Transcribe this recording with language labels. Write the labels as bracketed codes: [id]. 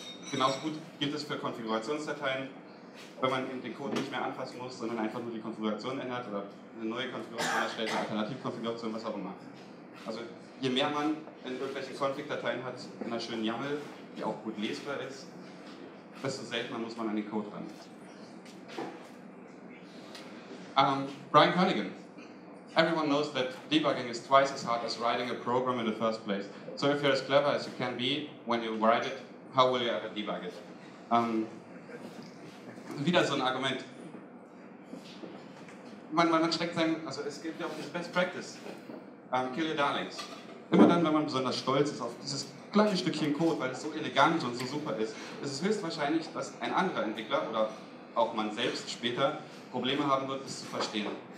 [de] Genauso gut gilt es für Konfigurationsdateien, wenn man eben den Code nicht mehr anfassen muss, sondern einfach nur die Konfiguration ändert oder eine neue Konfiguration erstellt, eine Alternativkonfiguration, was auch immer. Also je mehr man in irgendwelchen Config-Dateien hat, in einer schönen YAML, die auch gut lesbar ist, desto seltener muss man an den Code ran. Brian Kernighan. [en] Everyone knows that debugging is twice as hard as writing a program in the first place. So if you're as clever as you can be when you write it, how will you ever debug it? [de] Wieder so ein Argument. Man schreckt sein, also es gibt ja auch diese Best Practice. [en] Kill your darlings. [de] Immer dann, wenn man besonders stolz ist auf dieses kleine Stückchen Code, weil es so elegant und so super ist, ist es höchstwahrscheinlich, dass ein anderer Entwickler oder auch man selbst später Probleme haben wird, es zu verstehen.